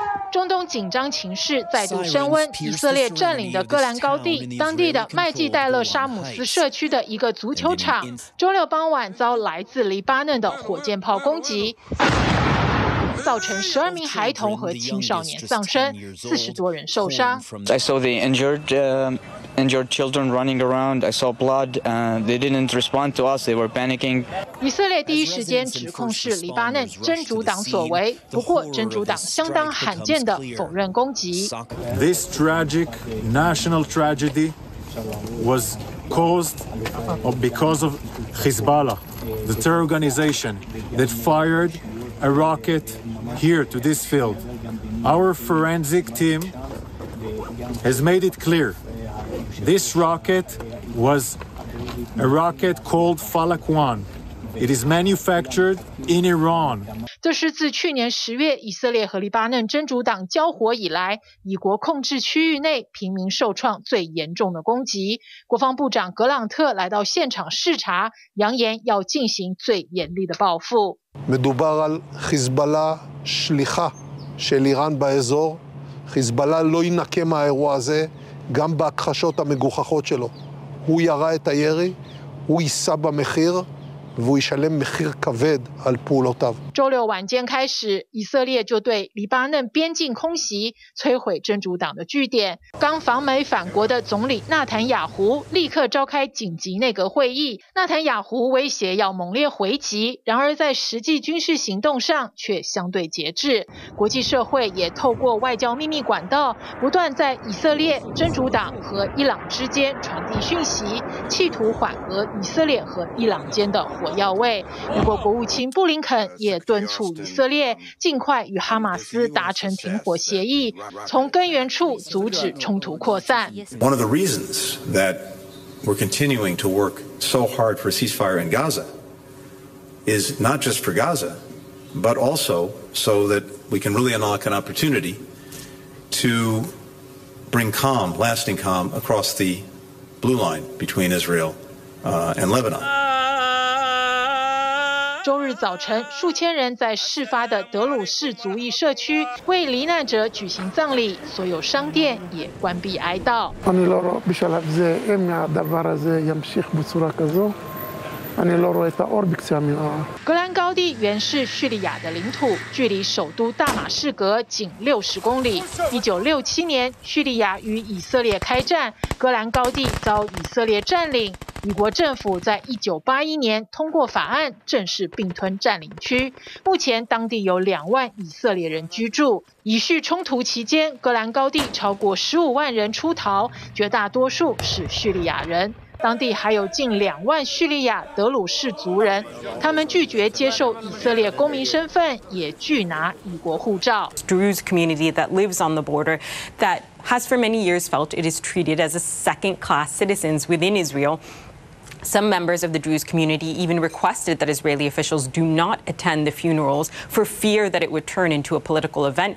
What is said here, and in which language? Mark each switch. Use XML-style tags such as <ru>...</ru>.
<zh>中东紧张情势再度升温，以色列占领的戈兰高地，当地的麦基戴勒沙姆斯社区的一个足球场，周六傍晚遭来自黎巴嫩的火箭炮攻击，造成12名孩童和青少年丧生，40多人受伤。</zh> <en>I saw the injured children running around. I saw blood. They didn't respond to us. They were panicking.</en> <zh>以色列第一时间指控是黎巴嫩真主党所为，不过真主党相当罕见的否认攻击。</zh> <en>This tragic national tragedy was caused because of Hezbollah, the terror organization that fired a rocket here to this field. Our forensic team has made it clear. This rocket was a rocket called Falak 1. It is manufactured in Iran.</en> <zh>这是自去年10月以色列和黎巴嫩真主党交火以来，以国控制区域内平民受创最严重的攻击。国防部长格朗特来到现场视察，扬言要进行最严厉的报复。</zh> <he>מדובר על חיזבאללה שליחה של איראן באזור. חיזבאללה לא ינקה מהאירוע הזה. גם בהכחשות המגוחכות שלו. הוא ירה את הירי, הוא יישא במחיר, והוא ישלם מחיר כבד על פעולותיו.</he> <zh>周六晚间开始，以色列就对黎巴嫩边境空袭，摧毁真主党的据点。刚访美返国的总理纳坦雅胡立刻召开紧急内阁会议，纳坦雅胡威胁要猛烈回击，然而在实际军事行动上却相对节制。国际社会也透过外交秘密管道，不断在以色列、真主党和伊朗之间传递讯息，企图缓和以色列和伊朗间的火药味。美国国务卿布林肯也敦促以色列尽快与哈马斯达成停火协议，从根源处阻止冲突扩散。</zh> <en>One of the reasons that we're continuing to work so hard for ceasefire in Gaza is not just for Gaza, but also so that we can really unlock an opportunity to bring calm, lasting calm across the blue line between Israel, and Lebanon.</en> <zh>周日早晨，数千人在事发的德鲁士族裔社区为罹难者举行葬礼，所有商店也关闭哀悼。格兰高地原是叙利亚的领土，距离首都大马士革仅60公里。 1967年，叙利亚与以色列开战，格兰高地遭以色列占领。以国政府在1981年通过法案，正式并吞占领区。目前当地有20000以色列人居住。以叙冲突期间，格兰高地超过15万人出逃，绝大多数是叙利亚人。当地还有近两万叙利亚德鲁士族人，他们拒绝接受以色列公民身份，也拒拿以国护照。</zh> <en>Druze community that lives on the border that has for many years felt it is treated as a second-class citizens within Israel. Some members of the Druze community even requested that Israeli officials do not attend the funerals for fear that it would turn into a political event.</en>